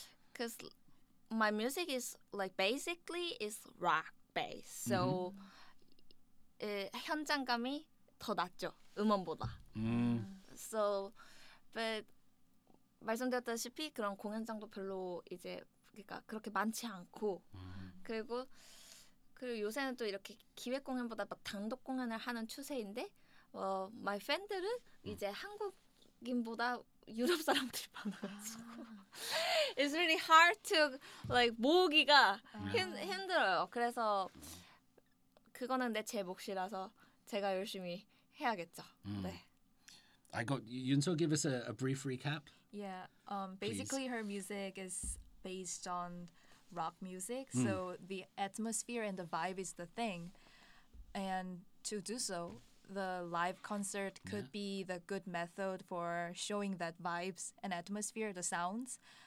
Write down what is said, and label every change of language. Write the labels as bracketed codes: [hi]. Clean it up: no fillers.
[en] Because my music is like basically is rock bass. [ko] So, 현장감이 더 낫죠, 음원보다. So, but 말씀드렸다시피 그런 공연장도 별로 이제 그러니까 그렇게 많지 않고 그리고 요새는 또 이렇게 기획 공연보다 막 단독 공연을 하는 추세인데 my 팬들은 이제 한국인보다 유럽 사람들이 많아가지고 it's really hard to like 모으기가 힘들어요. 그래서 그거는 내 제 몫이라서 제가 열심히 해야겠죠. 네. [en] I got Yunso. Give us a brief recap. Yeah. Basically, please. Her music is based on rock music, so the atmosphere and the vibe is the thing. And to do so, the live concert could be the good method for showing that vibes and atmosphere, the sounds.